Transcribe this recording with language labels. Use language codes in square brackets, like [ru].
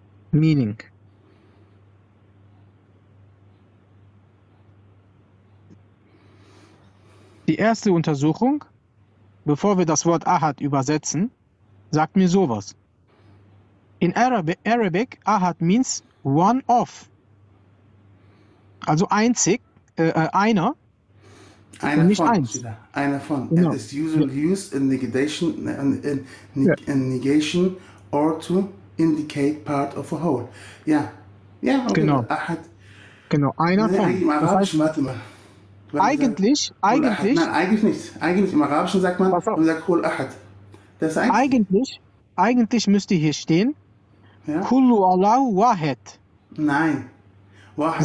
[en] Meaning. [de] Die erste Untersuchung, bevor wir das Wort Ahad übersetzen, sagt mir sowas. [en] In Arabic, Ahad means one of. [de] Also einzig, einer. Einer nicht von. Eins. Einer von. Genau. [en] It is usually used in negation, in negation or to indicate part of a whole. [de] Ja. Yeah. Ja, yeah, okay. Genau. Ahad. Genau, einer von. Im Arabischen, warte mal. Eigentlich, nein, eigentlich nicht. Eigentlich im Arabischen sagt man, und sagt [ar] Kul Ahad. [de] Das ist eigentlich müsste hier stehen, ja? [ar] Kullu Allahu Wahed. [de] Nein. Wahed